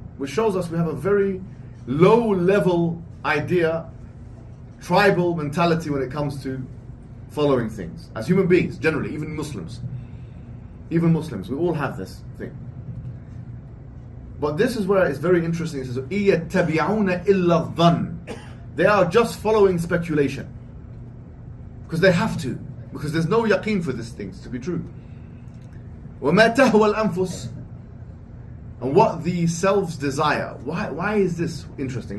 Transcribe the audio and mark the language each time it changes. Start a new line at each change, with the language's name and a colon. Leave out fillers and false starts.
English: Which shows us we have a very low level idea, tribal mentality when it comes to following things. As human beings, generally, even Muslims. Even Muslims, we all have this thing. But this is where it's very interesting. It says,
Arabic: إِيَتَّبِعُونَ إِلَّا الظَّنِ.
English: They are just following speculation. Because they have to. Because there's no yaqeen for these things to be true.
Arabic: وَمَا تَهْوَى الْأَنفُسِ.
English: And what the selves desire. Why is this interesting?